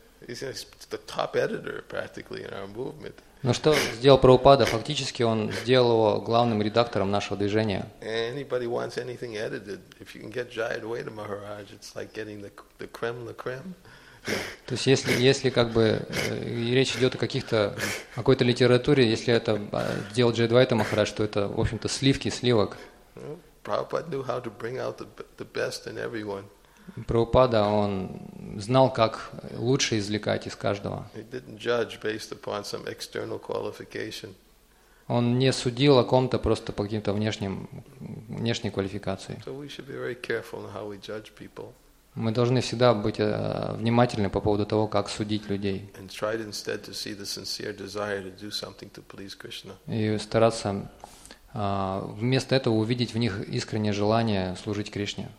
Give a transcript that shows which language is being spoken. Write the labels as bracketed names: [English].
[English] He's the top editor practically in our movement. [Russian] Но что сделал Прабхупада? Фактически он сделал его главным редактором нашего движения. [English] Anybody wants anything edited, if you can get Jayadvaita Maharaj, it's like getting the creme la creme. [Russian] То есть если как бы речь идет о какой-то литературе, если это делал Джайадвайта Махарадж, то это, в общем-то, сливок. [English] Prabhupada knew how to bring out the best in everyone. [Russian] Прабхупада, он знал, как лучше извлекать из каждого. [English] He didn't judge based upon some external qualification. [Russian] Он не судил о ком-то просто по каким-то внешней квалификации. [English] So we should be very careful in how we judge people. [Russian] Мы должны всегда быть внимательны по поводу того, как судить людей. [English] And try instead to see the sincere desire to do something to please Krishna. [Russian] И стараться вместо этого увидеть в них искреннее желание служить Кришне.